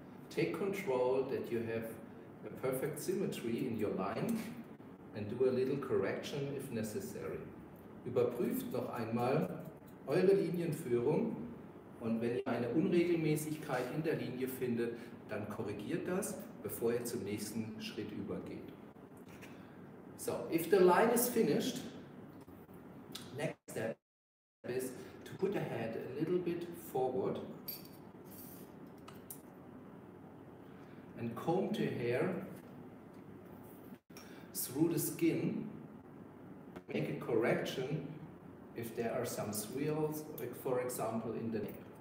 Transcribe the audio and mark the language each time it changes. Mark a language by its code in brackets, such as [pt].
[en] Take control that you have a perfect symmetry in your line and do a little correction if necessary. [de] Überprüft noch einmal eure Linienführung und wenn ihr eine Unregelmäßigkeit in der Linie findet, dann korrigiert das, bevor ihr zum nächsten Schritt übergeht. [en] So, if the line is finished, next step is to put the head a little bit forward. And comb the hair through the skin, make a correction if there are some swirls, like for example in the neck.